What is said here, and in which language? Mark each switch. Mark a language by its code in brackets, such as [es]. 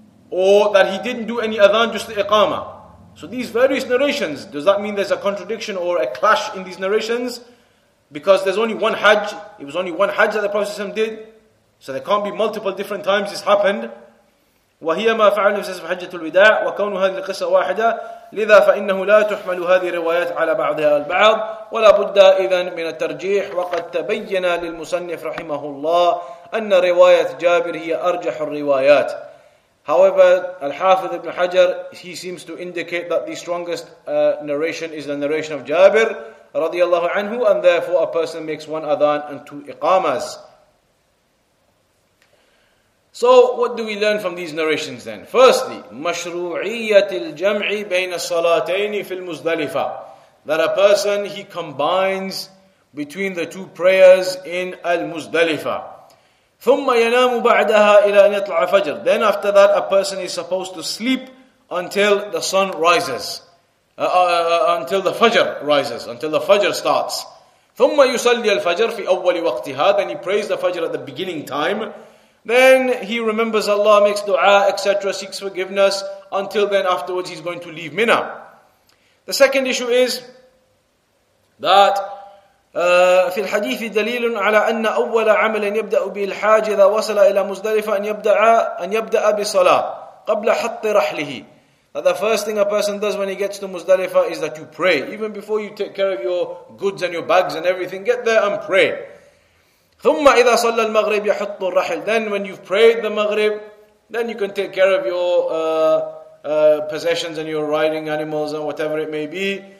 [en] Or that he didn't do any adhan, just the iqama. So these various narrations, does that mean there's a contradiction or a clash in these narrations? Because there's only one hajj, it was only one hajj that the Prophet ﷺ did. So there can't be multiple different times this happened. [ar] وهي ما فعله في حجة الوداع وكون هذه القصة واحدة لذا فإنه لا تحمل هذه الروايات على بعضها البعض ولا بد إذن من الترجيح وقد تبين للمصنف رحمه الله أن رواية جابر هي أرجح الروايات. [en] However, الحافظ ابن حجر, he seems to indicate that the strongest narration is the narration of Jabir رضي الله عنه, and therefore a person makes one adhan and two iqamas. So what do we learn from these narrations then? Firstly, [ar] مَشْرُوعِيَّةِ الْجَمْعِ بَيْنَ الصَّلَاتَيْنِ فِي الْمُزْدَلِفَةِ, [en] that a person, he combines between the two prayers in الْمُزْدَلِفَةِ. [ar] ثُمَّ يَنَامُ بَعْدَهَا إِلَىٰ أَنْ يَطْلَعَ فَجْرٍ, [en] then after that a person is supposed to sleep until the sun rises, until the fajr starts. [ar] ثُمَّ يُسَلِّيَ الْفَجْرِ فِي أَوَّلِ وَقْتِهَا, [en] then he prays the fajr at the beginning time. Then he remembers Allah, makes dua, etc., seeks forgiveness. Until then, afterwards, he's going to leave Mina. The second issue is that [ar] في الحديث دليل على أن أول عمل يبدأ بالحاج إذا وصل إلى مزدلفة أن يبدأ بالصلاة قبل حط رحله. [en] That the first thing a person does when he gets to Muzdalifah is that you pray. Even before you take care of your goods and your bags and everything, get there and pray. [ar] ثم إذا صلى المغرب يحط الرحل, [en] then when you've prayed the Maghrib, then you can take care of your possessions and your riding animals and whatever it may be.